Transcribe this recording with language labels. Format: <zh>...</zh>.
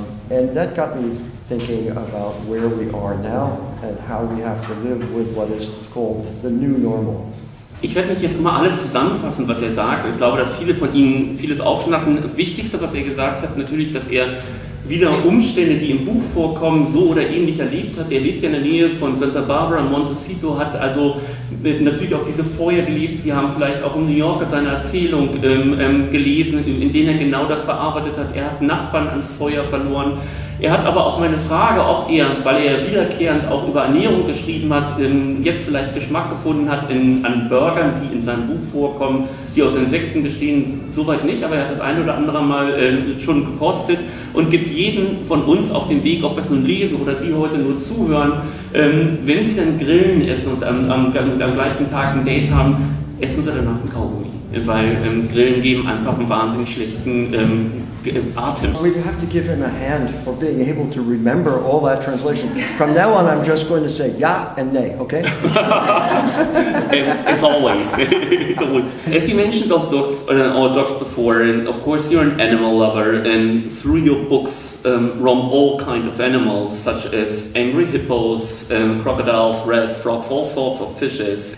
<en>And that got me thinking about where we are now and how we have to live with what is called the new normal.</en> <de>Ich werde nicht jetzt immer alles zusammenfassen, was er sagt. Ich glaube, dass viele von Ihnen vieles aufschnappen. Das Wichtigste, was er gesagt hat, natürlich, dass er wieder Umstände, die im Buch vorkommen, so oder ähnlich erlebt hat. Er lebt ja in der Nähe von Santa Barbara, Montecito, hat also natürlich auch diese Feuer gelebt. Sie haben vielleicht auch in New Yorker seine Erzählung gelesen, in denen er genau das verarbeitet hat. Er hat Nachbarn ans Feuer verloren. Er hat aber auch meine Frage, ob er, weil er wiederkehrend auch über Ernährung geschrieben hat, jetzt vielleicht Geschmack gefunden hat an Burgern, die in seinem Buch vorkommen, die aus Insekten bestehen, soweit nicht, aber er hat das ein oder andere Mal schon gekostet und gibt jeden von uns auf den Weg, ob wir es nun lesen oder Sie heute nur zuhören, wenn Sie dann grillen essen und am gleichen Tag ein Date haben, essen Sie danach einen Kaugummi, weil Grillen geben einfach einen wahnsinnig schlechten Atem.</de> <en>We have to give him a hand for being able to remember all that translation. From now on, I'm just going to say ja and nay, okay? As always. As you mentioned of dogs, or dogs before, and of course you're an animal lover, and through your books roam all kinds of animals, such as angry hippos, crocodiles, rats, frogs, all sorts of fishes.</en>